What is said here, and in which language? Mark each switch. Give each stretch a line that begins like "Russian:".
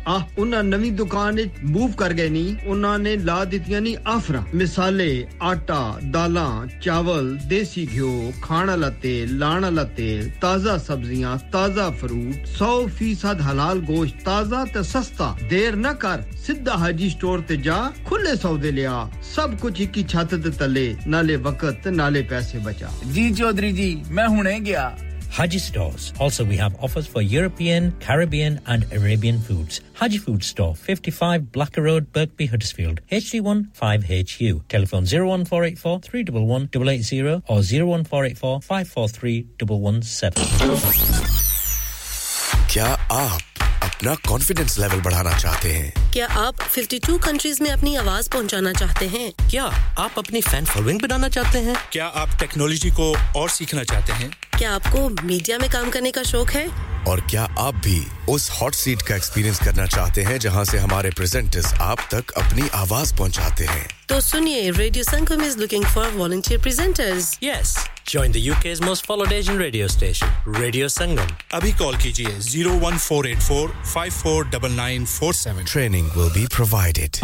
Punjabi: ਆ ਉਹਨਾਂ ਨਵੀਂ ਦੁਕਾਨ ਵਿੱਚ ਮੂਵ ਕਰ ਗਏ ਨੀ ਉਹਨਾਂ ਨੇ ਲਾ ਦਿੱਤੀਆਂ ਨੀ ਆਫਰਾਂ ਮਿਸਾਲੇ ਆਟਾ ਦਾਲਾਂ ਚਾਵਲ ਦੇਸੀ ਘਿਓ ਖਾਣ ਵਾਲਾ ਤੇਲ ਲਾਣ ਵਾਲਾ ਤੇਲ ਤਾਜ਼ਾ ਸਬਜ਼ੀਆਂ ਤਾਜ਼ਾ ਫਰੂਟ 100% ਹਲਾਲ ਗੋਸ਼ਤ ਤਾਜ਼ਾ ਤੇ ਸਸਤਾ ਦੇਰ ਨਾ ਕਰ ਸਿੱਧਾ ਹਾਜੀ ਸਟੋਰ ਤੇ ਜਾ ਖੁੱਲੇ ਸੌਦੇ ਲਿਆ ਸਭ ਕੁਝ ਇੱਕ ਹੀ ਛੱਤ ਦੇ ਤਲੇ ਨਾਲੇ ਵਕਤ ਨਾਲੇ ਪੈਸੇ ਬਚਾ ਜੀ ਚੌਧਰੀ ਜੀ ਮੈਂ ਹੁਣੇ ਗਿਆ
English: Haji Stores. Also, we have offers for European, Caribbean and Arabian foods. Haji Food Store, 55 Blacker Road, Birkby, Huddersfield, HD1 5HU. Telephone 01484 311 880 or 01484 543 117.
Hindi: क्या आप अपना कॉन्फिडेंस लेवल बढ़ाना चाहते हैं? क्या आप 52 कंट्रीज में अपनी आवाज पहुंचाना चाहते हैं? क्या आप अपनी फैन फॉलोइंग बनाना चाहते हैं? क्या आप टेक्नोलॉजी को और सीखना चाहते हैं? क्या आपको मीडिया में काम करने का शौक है? और क्या आप भी उस हॉट सीट का एक्सपीरियंस करना चाहते हैं जहां से हमारे प्रेजेंटर्स आप तक अपनी आवाज पहुंचाते हैं? तो सुनिए,
English: Radio Sangam is looking for volunteer presenters. यस, join the UK's most followed Asian radio station, Radio Sangam.
Hindi: Abhi call kijiye 01484-549947.
English: Training will be provided.